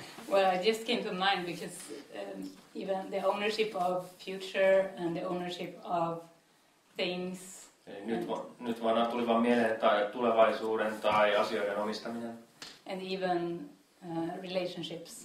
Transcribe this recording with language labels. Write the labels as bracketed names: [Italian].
[English] Well, I just came to mind because even the ownership of future and the ownership of things. [Finnish] Nyt vaan tuli vaan mieleen, että tulevaisuuden tai asioiden omistaminen. [English] And even relationships.